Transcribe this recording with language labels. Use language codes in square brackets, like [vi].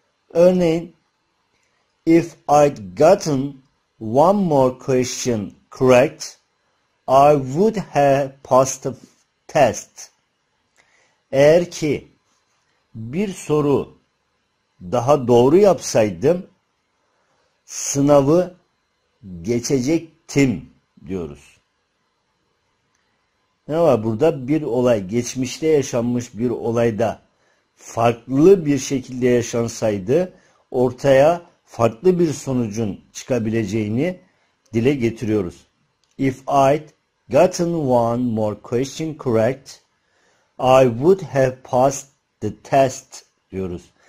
[en] Örneğin, if I'd gotten one more question correct, I would have passed the test. [tr] Eğer ki bir soru daha doğru yapsaydım, sınavı geçecektim diyoruz. Ne var burada? Bir olay, geçmişte yaşanmış bir olayda farklı bir şekilde yaşansaydı, ortaya farklı bir sonucun çıkabileceğini dile getiriyoruz. [en] If I'd gotten one more question correct, I would have passed the test [tr] diyoruz.